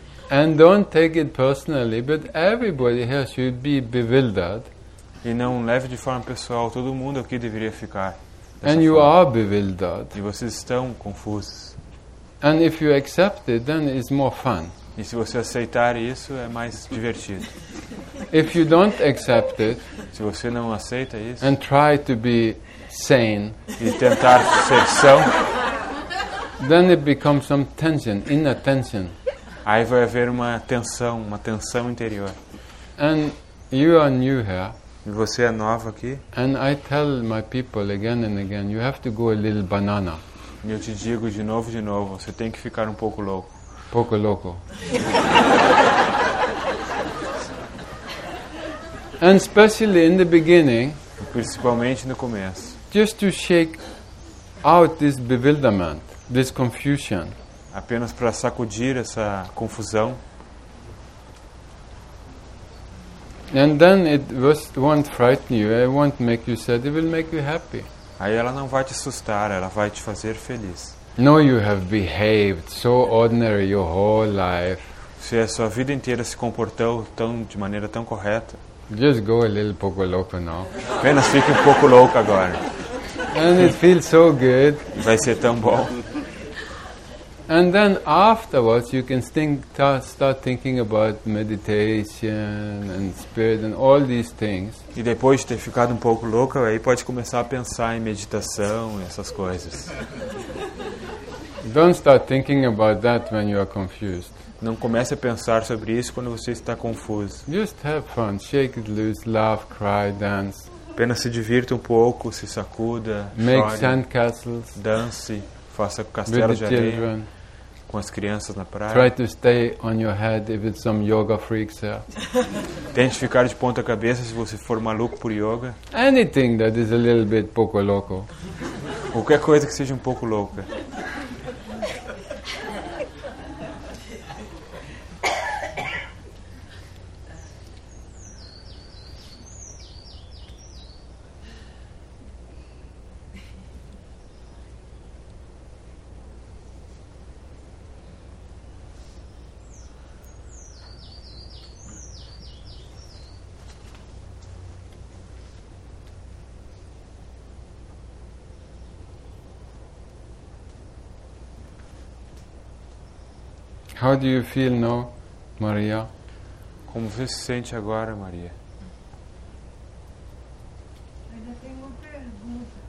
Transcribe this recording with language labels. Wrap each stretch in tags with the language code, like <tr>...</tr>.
<en>And don't take it personally, but everybody here should be bewildered.</en> <pt>E não leve de forma pessoal, todo mundo aqui deveria ficar.</pt> <en>And you are bewildered.</en> <pt>E vocês estão confusos.</pt> <en>And if you accept it, then it's more fun.</en> <pt>E se você aceitar isso, é mais divertido.</pt> <en>If you don't accept it,</en> <pt>se você não aceita isso,</pt> <en>and try to be sane,</en> <pt>e tentar ser são,</pt> <en>then it becomes some tension, inner tension.</en> <pt>Aí vai haver uma tensão interior.</pt> <en>And you are new here.</en> <pt>E você é nova aqui.</pt> <en>And I tell my people again and again, you have to go a little banana.</en> <pt>E eu te digo de novo, você tem que ficar um pouco louco. Pouco louco.</pt> <en>And especially in the beginning.</en> <pt>Principalmente no começo.</pt> <en>Just to shake out this bewilderment, this confusion.</en> <pt>Apenas para sacudir essa confusão.</pt> <en>And then it won't frighten you, it won't make you sad, it will make you happy.</en> <pt>Aí ela não vai te assustar, ela vai te fazer feliz.</pt> <en>No, you have behaved so ordinary your whole life.</en> <pt>Se a sua vida inteira se comportou tão, de maneira tão correta.</pt> <en>Just go a little</en> <pt>pouco louco</pt> <en>now.</en> <pt>Apenas fique um pouco louco agora.</pt> <en>And it feels so good.</en> <pt>Vai ser tão bom.</pt> <en>And then afterwards you can start thinking about meditation and spirit and all these things.</en> <pt>E depois de ter ficado um pouco louco, aí pode começar a pensar em meditação e essas coisas.</pt> <en>Don't start thinking about that when you are confused.</en> <pt>Não comece a pensar sobre isso quando você está confuso.</pt> <en>Just have fun, shake it loose, laugh, cry, dance.</en> <pt>Apenas se divirta um pouco, se sacuda,</pt> <en>make chore, sandcastles, dance.</en> <pt>Faça castelo de areia com as crianças na praia.</pt> <en>Try to stay on your head if it's some yoga freaks here.</en> <pt>Tente ficar de ponta cabeça se você for maluco por yoga.</pt> <en>Anything that is a little bit</en> <es>poco loco.</es> <pt>Qualquer coisa que seja um pouco louca.</pt> <en>How do you feel now, Maria?</en> <pt>Como você se sente agora, Maria? Ainda tenho uma pergunta.</pt>